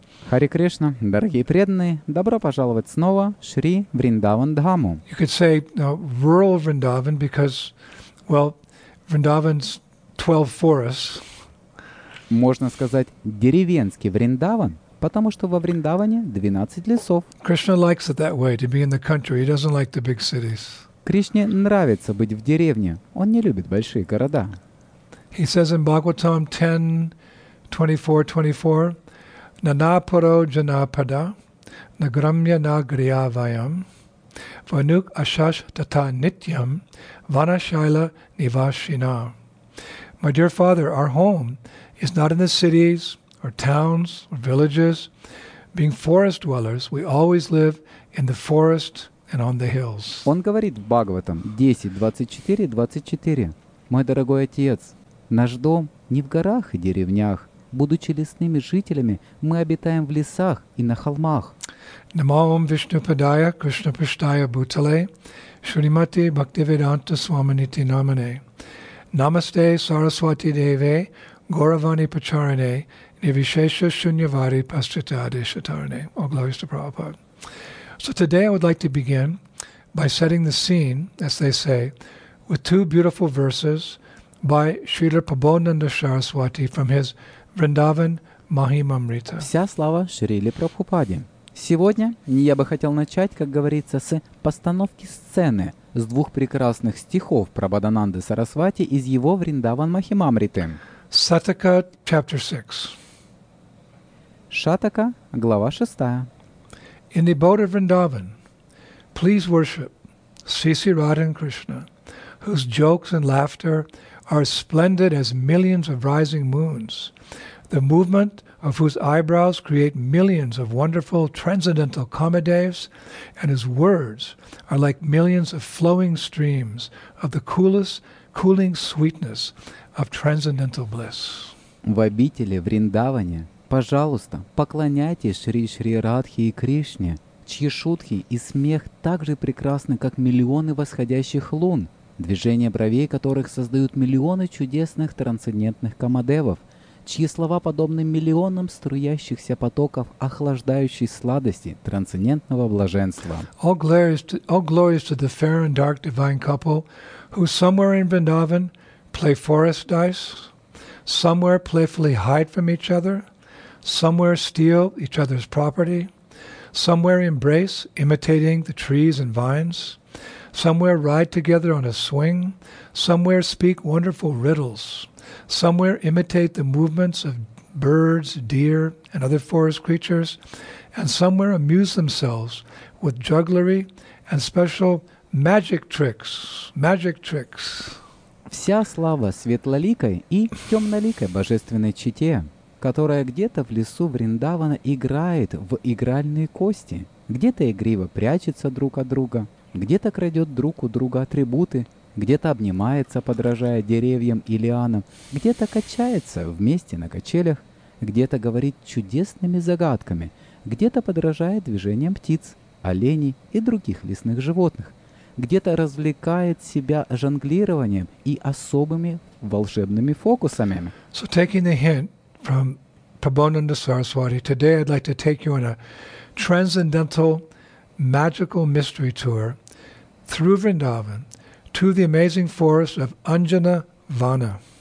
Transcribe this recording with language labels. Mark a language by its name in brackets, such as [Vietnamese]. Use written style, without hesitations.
[Russian] Hare Krishna, дорогие преданные, добро пожаловать снова в Шри Вриндаван Дхаму. [English] You could say rural Vrindavan because, well, Vrindavan's 12 forests. [Russian] Можно сказать деревенский Вриндаван, потому что во Вриндаване 12 лесов. [English] Krishna likes it that way, to be in the country. He doesn't like the big cities. [Russian] Кришне нравится быть в деревне. Он не любит большие города. [English] He says in Bhagavatam 10:24-24, [Sanskrit] Nanaparo janapada nagramya nagriyavayam vanuk ashash tata nityam vanashaila nivashina. [English] My dear father, our home is not in the cities or towns or villages. Being forest dwellers, we always live in the forest and on the hills. [Russian] Он говорит в Бхагаватам 10:24-24. Мой дорогой отец, наш дом не в горах и деревнях. Будучи лесными жителями, мы обитаем в лесах и на холмах. [Sanskrit] Намо Ом Вишнупадая Кришнапрастхая Бхутале Шримати Бхактивиданта Свамините Намане. Намасте Сарасвати Деве Гуравани Пачаране Нивишеша Шуньявари Пасчитаде Шатаране. [English] All glories to Prabhupada. So today I would like to begin by setting the scene, as they say, with two beautiful verses by Srila Prabhonanda Saraswati from his Vrindavan Mahimamrita. [Russian] Вся слава Шриле Прабхупаде. Сегодня я бы хотел начать, как говорится, с постановки сцены с двух прекрасных стихов Прабхадананды Сарасвати из его Вриндаван Махимамриты. [English] Шатака, chapter 6. [Russian] Шатака, глава 6. [English] In the abode of Vrindavan, please worship Sisi Radhan Krishna, whose jokes and laughter are splendid as millions of rising moons, the movement of whose eyebrows create millions of wonderful transcendental comedaves, and his words are like millions of flowing streams of the coolest, cooling sweetness of transcendental bliss. [Russian] В обители Вриндаване, пожалуйста, поклоняйтесь Шри Шри Радхе и Кришне, чьи шутки и смех так же прекрасны, как миллионы восходящих лун, движения бровей которых создают миллионы чудесных трансцендентных камадевов, чьи слова подобны миллионам струящихся потоков охлаждающей сладости трансцендентного блаженства. [English] All glories to the fair and dark divine couple who somewhere in Vrindavan play forest dice, somewhere playfully hide from each other, somewhere steal each other's property, somewhere embrace, imitating the trees and vines, somewhere ride together on a swing, somewhere speak wonderful riddles, somewhere imitate the movements of birds, deer, and other forest creatures, and somewhere amuse themselves with jugglery and special magic tricks, magic tricks. [Russian] Вся слава светлоликой и темноликой божественной чите, которая где-то в лесу Вриндавана играет в игральные кости, где-то игриво прячется друг от друга, где-то крадет друг у друга атрибуты, где-то обнимается, подражая деревьям и лианам, где-то качается вместе на качелях, где-то говорит чудесными загадками, где-то подражает движениям птиц, оленей и других лесных животных, где-то развлекает себя жонглированием и особыми волшебными фокусами. [English] So taking the hint from Prabhonanda Saraswati, today I'd like to take you on a transcendental magical mystery tour through Vrindavan to the amazing forest of Anjana Vana.